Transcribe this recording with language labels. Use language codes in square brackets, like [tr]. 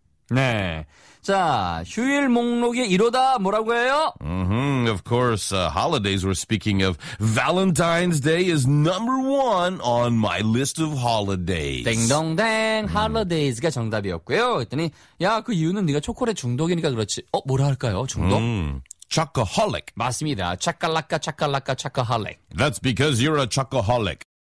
[ko] 네. 자, 휴일 목록에 이러다 뭐라고 해요? Mm-hmm. [en] Of course, holidays we're speaking of. Valentine's Day is number one on my list of holidays. [ko] 땡동댕. Holidays가 정답이었고요. 그랬더니, 야, 그 이유는 네가 초콜릿 중독이니까 그렇지. 어, 뭐라 할까요? 중독? [en] Chocoholic. [ko] 맞습니다. 차칼라카, 차칼라카, 차카홀릭. [en] That's because you're a chocoholic.